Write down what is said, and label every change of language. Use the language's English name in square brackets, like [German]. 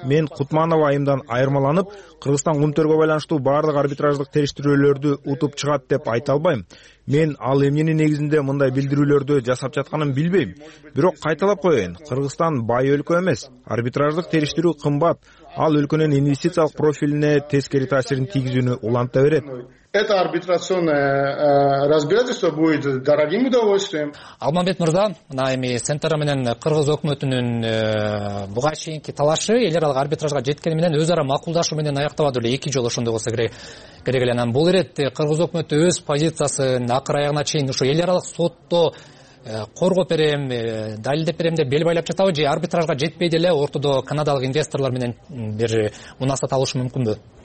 [Kyrgyz] Мен Кутманова айымдан айырмаланып, Кыргызстан кумтөргө байланыштуу баардык арбитраждык териштирүүлөрдү утуп чыгат деп айта албайм. Мен ал эмненин негизинде мындай билдирүүлөрдү жасап жатканын билбейм. Бирок кайталап коеюн, Кыргызстан бай өлкө эмес. Арбитраждык териштирүү кымбат. Ал өлкөнүн инвестициялык профилине тескери таасирин тийгизүүнү уланта берет. [Russian] Это арбитрационное разбирательство будет дорогим удовольствием. [Kyrgyz] Алмамбет мырза, мына эми центр менен кыргыз өкмөтүнүн буга чейинки талашы эл аралык арбитражга жеткени менен өз ара макулдашуу менен аяктабады беле, эки жол ошондой болсо керек эле анан бул ирет кыргыз өкмөтү өз позициясын акыр аягына чейин ушу эл аралык сотто коргоп берем, далилдеп берем деп бел байлап жатабы же арбитражга жетпей деле ортодо канадалык инвесторлор менен бир мунасабат алышы мүмкүнбү?